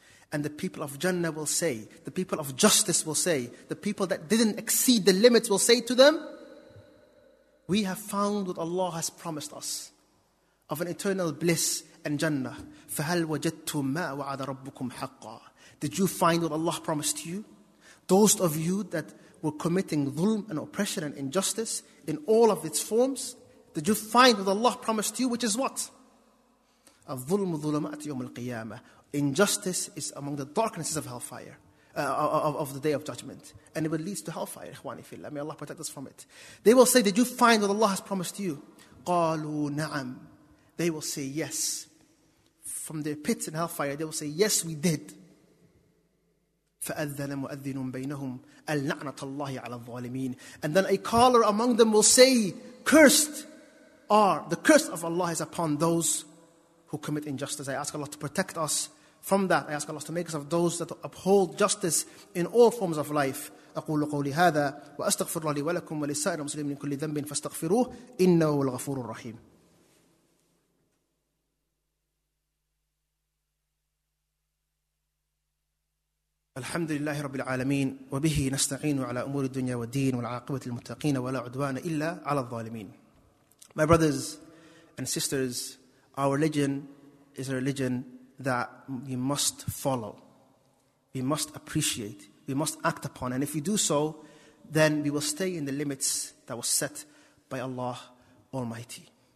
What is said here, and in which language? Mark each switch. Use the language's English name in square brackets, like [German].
[English] And the people of Jannah will say, the people of justice will say, the people that didn't exceed the limits will say to them, we have found what Allah has promised us of an eternal bliss and Jannah. [Arabic] فَهَلْ وَجَدْتُمْ مَا وَعَدَ رَبُّكُمْ حَقًّا. [English] Did you find what Allah promised you? Those of you that were committing dhulm and oppression and injustice in all of its forms, did you find what Allah promised you, which is what? [Arabic] الظلم ظلمات يوم القيامة. [English] Injustice is among the darknesses of hellfire, of the day of judgment. And it will lead to hellfire, [Arabic] إخواني في الله. [English] May Allah protect us from it. They will say, did you find what Allah has promised you? [Arabic] قالوا نعم. [English] They will say yes. From their pits in hellfire, they will say, yes, we did. [Arabic] فأذن مؤذن بينهم اللعنة الله على الظالمين. [English] And then a caller among them will say, the curse of Allah is upon those who commit injustice. I ask Allah to protect us from that. I ask Allah to make us of those that uphold justice in all forms of life. [Arabic] أقول قولي هذا وأستغفر الله لي ولكم ولسائر المسلمين من كل ذنب فاستغفروه إنه الغفور الرحيم. الحمد لله رب العالمين وبه نستعين على أمور الدنيا والدين والعاقبة للمتقين ولا عدوان إلا على الظالمين. [English] My brothers and sisters, our religion is a religion that we must follow, we must appreciate, we must act upon. And if we do so, then we will stay in the limits that was set by Allah Almighty.